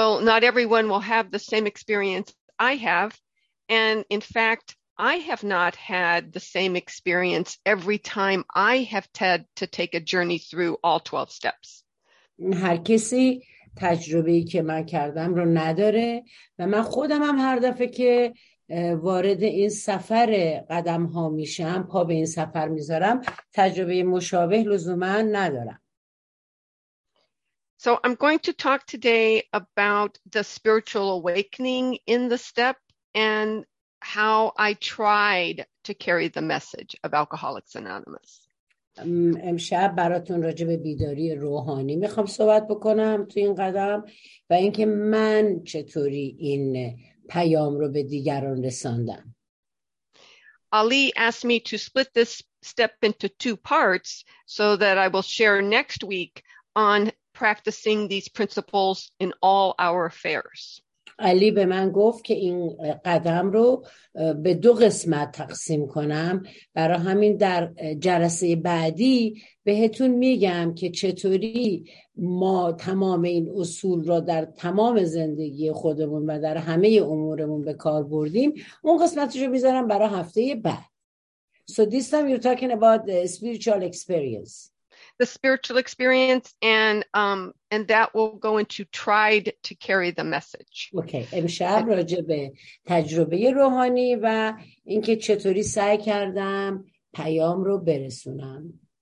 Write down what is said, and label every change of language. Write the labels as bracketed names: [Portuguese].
[English] Not everyone will have the same experience I have, and in fact, I have not had the same experience every time I have had to take a journey through all 12 steps. [Persian] هر کسی تجربه‌ای که من کردم رو نداره و من خودم هم هر دفعه که وارد این سفر قدم ها میشم، پا به این سفر میذارم، تجربه مشابه لزوماً ندارم. [English] So I'm going to talk today about the spiritual awakening in the step and how I tried to carry the message of Alcoholics Anonymous. [Persian] امشب براتون راجع به بیداری روحانی میخوام صحبت بکنم تو این قدم و اینکه من چطوری این پیام رو به دیگران رساندم. [English] Ali asked me to split this step into two parts so that I will share next week on practicing these principles in all our affairs. [Persian] علی به من گفت که این قدم رو به دو قسمت تقسیم کنم، برای همین در جلسه بعدی بهتون میگم که چطوری ما تمام این اصول را در تمام زندگی خودمون و در همه امورمون به کار بردیم. اون قسمتشو میذارم برای هفته بعد. [English] So this time you're talking about the spiritual experience. The spiritual experience and that will go into tried to carry the message. [Persian] Okay, امشب راجع به تجربه روحانی و اینکه چطوری سعی کردم پیام رو برسونم.